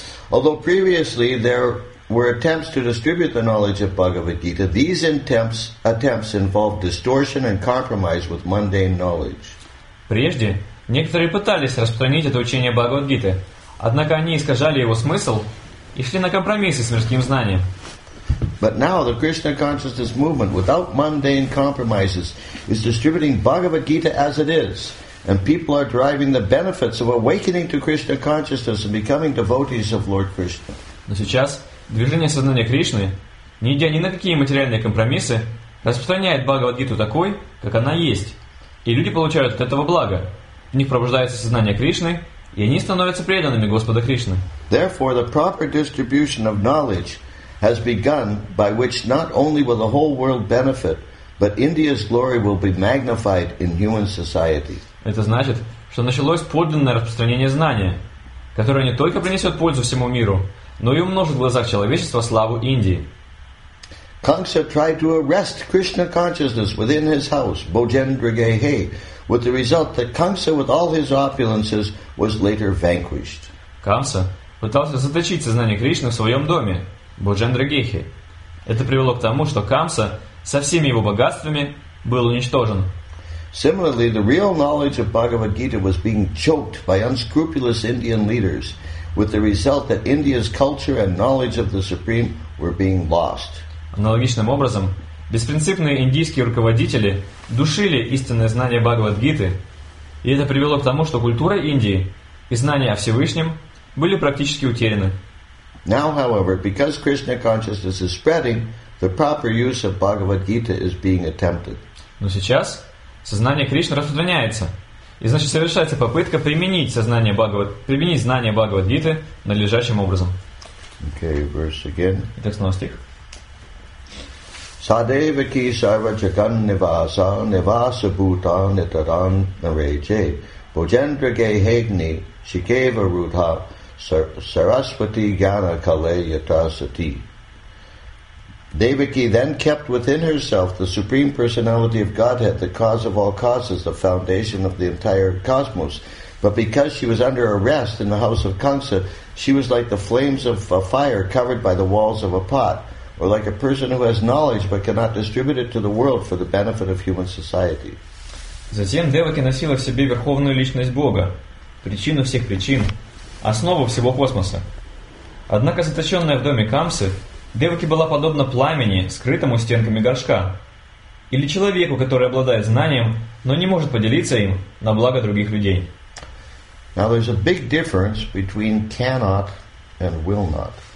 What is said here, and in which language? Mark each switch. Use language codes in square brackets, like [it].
[en] Although previously there were attempts to distribute the knowledge of Bhagavad Gita, these attempts involved distortion and compromise with mundane knowledge. [ru] Прежде некоторые пытались распространить это учение Бхагавад Гиты, однако они искажали его смысл и шли на компромиссы с мирским знанием. [en] But now the Krishna consciousness movement, without mundane compromises, is distributing Bhagavad Gita as it is, and people are deriving the benefits of awakening to Krishna consciousness and becoming devotees of Lord Krishna. [ru] Но сейчас движение сознания Кришны, не идя ни на какие материальные компромиссы, распространяет Бхагавад Гиту такой, как она есть, и люди получают от этого благо. В них пробуждается сознание Кришны, и они становятся преданными Господа Кришны. [en] Therefore, the proper distribution of knowledge has begun, by which not only will the whole world benefit, but India's glory will be magnified in human society. [ru] Это значит, что началось подлинное распространение знания, которое не только принесет пользу всему миру, но и умножит в глазах человечества славу Индии. [en] Kamsa tried to arrest Krishna consciousness within his house, Bojendragehe, with the result that Kamsa, with all his opulences, was later vanquished. [ru] Kamsa пытался заточить сознание Кришны в своем доме, Боджендрагехи. Это привело к тому, что Камса со всеми его богатствами был уничтожен. [en] Similarly, the real knowledge of Bhagavad Gita was being choked by unscrupulous Indian leaders, with the result that India's culture and knowledge of the Supreme were being lost. [ru] Аналогичным образом, беспринципные индийские руководители душили истинное знание Бхагавад Гиты, и это привело к тому, что культура Индии и знания о Всевышнем были практически утеряны. [en] Now, however, because Krishna consciousness is spreading, the proper use of Bhagavad Gita is being attempted. [ru] Но сейчас сознание Кришны распространяется, и значит совершается попытка применить знание Бхагавад Гиты надлежащим образом. [en] Okay, verse again. [ru] Итак, снова стих. [sa] Sadevaki sarva jagan nivasa nivasa bhuta nitaran nareje bojendra gehegni shikeva rudha Saraswati Gana Kale Yatasati. [en] Devaki then kept within herself the Supreme Personality of Godhead, the cause of all causes, the foundation of the entire cosmos. But because she was under arrest in the house of Kamsa, she was like the flames of a fire covered by the walls of a pot, or like a person who has knowledge but cannot distribute it to the world for the benefit of human society. [ru] Затем Деваки носила в себе верховную личность Бога, причину всех причин, основу всего космоса. Однако заточенная в доме Камсы, Деваки была подобна пламени, скрытому стенками горшка, или человеку, который обладает знанием, но не может поделиться им на благо других людей. [en] Now there's a big difference between cannot and will not.